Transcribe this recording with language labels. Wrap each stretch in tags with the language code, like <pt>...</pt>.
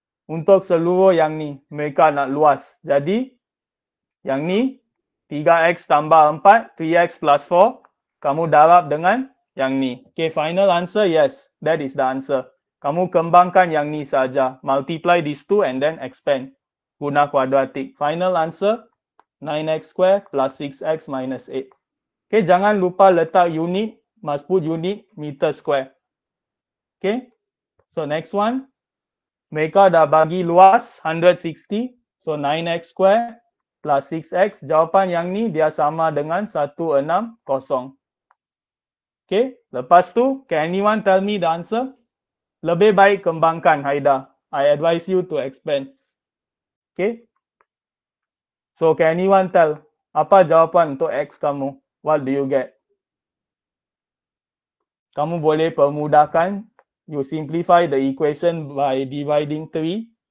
<ms>Untuk seluruh yang ni, mereka nak luas. Jadi, yang ni, 3x tambah 4, 3x plus 4, kamu darab dengan yang ni.</ms> <en>Okay, final answer, yes, that is the answer.</en> <ms>Kamu kembangkan yang ni saja.</ms> <en>Multiply these two and then expand.</en> <ms>Guna kuadratik.</ms> <en>Final answer, 9x square plus 6x minus 8. Okay,</en> <ms>jangan lupa letak unit.</ms> <en>Must put unit meter square. Okay. So, next one.</en> <ms>Mereka dah bagi luas 160. So, 9x square plus 6x. Jawapan yang ni dia sama dengan 160.</ms> <en>Okay.</en> <ms>Lepas tu,</ms> <en>can anyone tell me the answer?</en> <ms>Lebih baik kembangkan, Haida.</ms> <en>I advise you to expand. Okay. So, can anyone tell</en> <ms>apa jawapan untuk X kamu?</ms> <en>What do you get?</en> <ms>Kamu boleh permudahkan.</ms> <en>You simplify the equation by dividing 3.</en>